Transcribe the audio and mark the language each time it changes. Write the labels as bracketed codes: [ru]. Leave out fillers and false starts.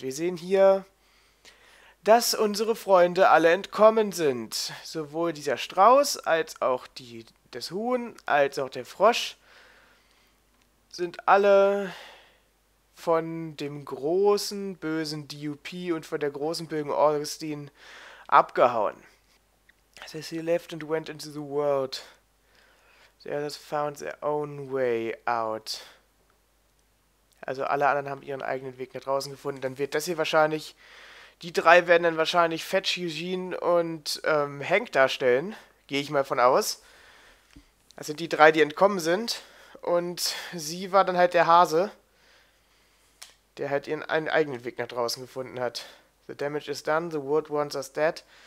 [de] Wir sehen hier, dass unsere Freunde alle entkommen sind. Sowohl dieser Strauß als auch das Huhn als auch der Frosch sind alle von dem großen, bösen DUP und von der großen, bösen Augustine abgehauen. [en] It says he left and went into the world. The others found their own way out. [de] Also alle anderen haben ihren eigenen Weg nach draußen gefunden. Dann wird das hier wahrscheinlich, die drei werden dann wahrscheinlich Fetch, Eugene und Hank darstellen. Gehe ich mal von aus. Das sind die drei, die entkommen sind. Und sie war dann halt der Hase, der halt einen eigenen Weg nach draußen gefunden hat. [en] The damage is done, the world wants us dead.